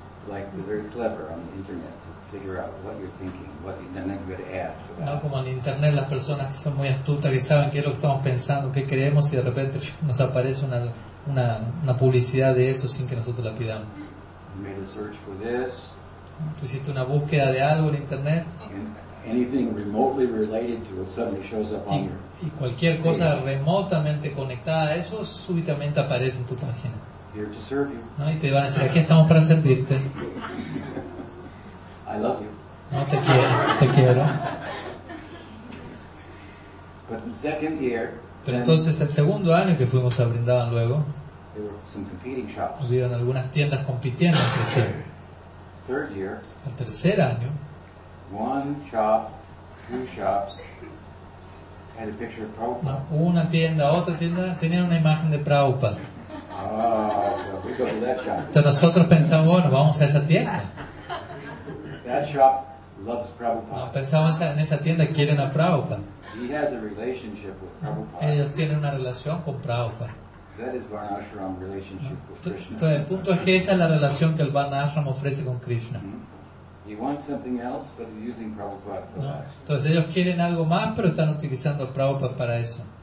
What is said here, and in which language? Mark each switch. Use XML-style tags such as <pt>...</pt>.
<en>Like the very clever on the internet to figure out what you're thinking, what you're going to add to that.</en> <es>No, como en internet las personas que son muy astutas que saben qué es lo que estamos pensando, qué creemos y de repente nos aparece una publicidad de eso sin que nosotros la pidamos.</es> <en>You made a search for this.</en> <es>Tú hiciste una búsqueda de algo en internet.</es> <en>Anything remotely related to it suddenly shows up on your.</en> <es>Y cualquier cosa remotamente conectada a eso súbitamente aparece en tu página.</es> <en>Here to serve you.</en> <es>No, y te van a decir, aquí estamos para servirte.</es> <en>I love you.</en> <es>No, te quiero, te quiero.</es> <en>But the second year,</en> <es>pero entonces el segundo año que fuimos a Vrindavan luego,</es> <en>there were some competing shops.</en> <es>Hubieron algunas tiendas compitiendo entre sí.</es> <en>Third year,</en> <es>el tercer año,</es> <en>one shop, two shops, had a picture of Prabhupada.</en> <es>No, una tienda, otra tienda, tenían una imagen de Prabhupada. Entonces nosotros pensamos, bueno, vamos a esa tienda.</es> <en>That shop loves Prabhupada.</en> <es>No, pensamos en esa tienda, quieren a Prabhupada.</es> <en>He has a relationship with Prabhupada.</en> <es>Ellos tienen una relación con Prabhupada.</es> <en>That is Varnashram relationship with Krishna.</en> <es>Entonces el punto es que esa es la relación que el Varnashram ofrece con Krishna.</es> <en>Mm-hmm. He wants something else, but he's using Prabhupada for that.</en> <es>No. Entonces ellos quieren algo más, pero están utilizando a Prabhupada para eso.</es>